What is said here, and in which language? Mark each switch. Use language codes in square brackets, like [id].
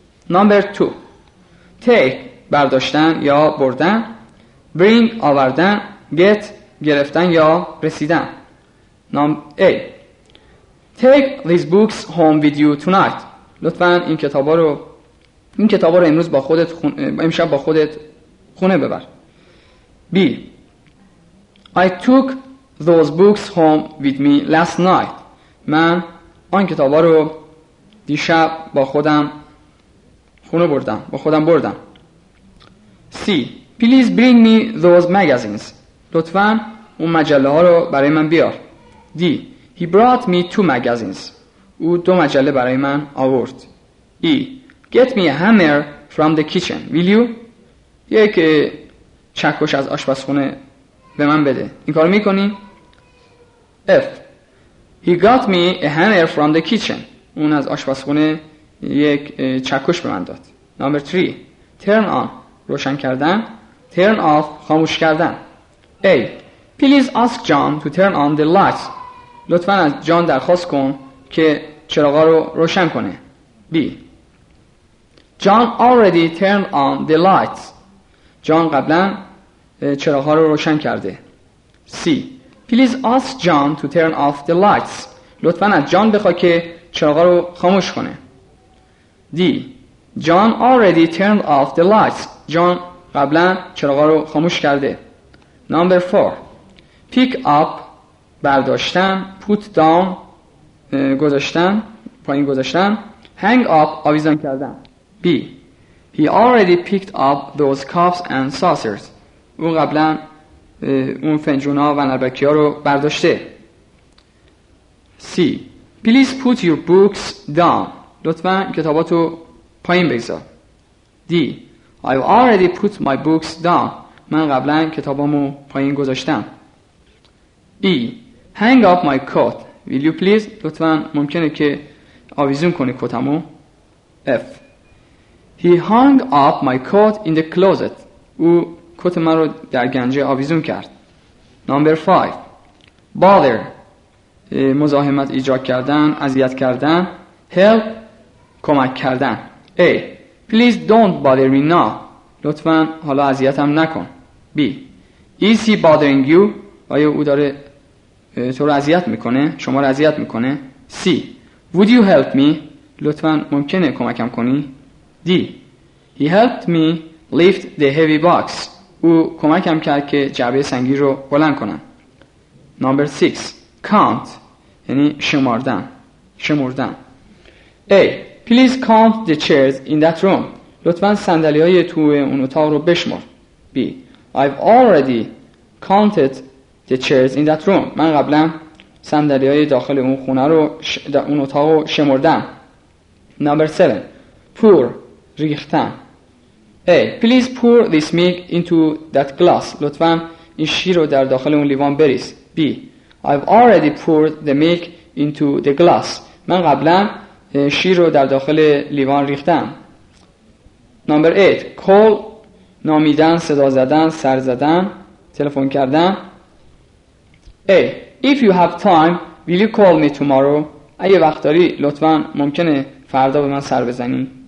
[en] Number 2. Take. [fa] برداشتن یا بردن. [en] Bring. آوردن. Get. [fa] گرفتن یا رسیدن. [en] A. Take these books home with you tonight. [fa] لطفا این کتابا رو امروز با خودت امشب با خودت خونه ببر. [en] B. I took those books home with me last night. [fa] من آن کتابا رو دیشب با خودم خونه بردم، با خودم بردم. [en] C. Please bring me those magazines. [fa] لطفاً اون مجله ها رو برای من بیار. [en] D. He brought me two magazines. [fa] او دو مجله برای من آورد. [en] E. Get me a hammer from the kitchen. Will you? [fa] یک چکش از آشپزخونه به من بده. این کارو میکنی؟ F. [en] He got me a hammer from the kitchen. [fa] اون از آشپزخونه یک چکش به من داد. [en] Number 3. Turn on. [fa] روشن کردن. [en] Turn off. [fa] خاموش کردن. [en] A. Please ask John to turn on the lights. [fa] لطفاً از جان درخواست کن که چراغا رو روشن کنه. [en] B. John already turned on the lights. [fa] جان قبلا چراغ‌ها رو روشن کرده. [en] C. Please ask John to turn off the lights. [fa] لطفاً از جان بخوا که چراغ‌ها رو خاموش کنه. [en] D. John already turned off the lights. [fa] جان قبلا چراغ‌ها رو خاموش کرده. [en] Number 4. Pick up. برداشتن. Put down. گذاشتن. [fa] پایین گذاشتن. [en] Hang up. [fa] آویزان کردن. [en] B. He already picked up those cups and saucers. [fa] او قبلا اون فنجون ها و نلبکی ها رو برداشته. [en] C. Please put your books down. [fa] لطفا کتاباتو پایین بگذار. [en] D. I've already put my books down. [fa] من قبلا کتابامو پایین گذاشتم. [en] E. Hang up my coat. Will you please? [fa] لطفا ممکنه که آویزون کنی کتمو. [en] F. He hung up my coat in the closet. [fa] او کت من رو در گنجه آویزون کرد. [en] Number 5. Bother. [fa] مزاحمت ایجاد کردن، اذیت کردن. [en] Help. [fa] کمک کردن. [en] A. Please don't bother me now. [fa] لطفاً حالا اذیتم نکن. [en] B. Is he bothering you? [fa] آیا او داره تو رو اذیت میکنه؟ شما رو اذیت میکنه؟ C. [en] Would you help me? [fa] لطفاً ممکنه کمکم کنی؟ [en] D. He helped me lift the heavy box. [fa] او کمکم کرد که جعبه سنگی رو بلند کنم. [en] Number 6. Count. [fa] یعنی شمردن. شمردن. [en] A. Please count the chairs in that room. [fa] لطفاً صندلی‌های تو اون اتاق رو بشمار. [en] B. I've already counted the chairs in that room. [fa] من قبلاً صندلی‌های داخل اون خونه رو اون اتاق رو شمردم. [en] Number 7. Pour. ریختن. A. Please pour this milk into that glass. [fa] لطفاً این شیر رو در داخل اون لیوان بریز. [en] B. I've already poured the milk into the glass. [fa] من قبلاً شیر رو در داخل لیوان ریختم. [en] Number 8. Call. [fa] نامیدن، صدا زدن، سر زدن، تلفن کردن. [en] A. If you have time, will you call me tomorrow? [fa] اگه وقت داری لطفاً ممکنه فردا به من سر بزنی.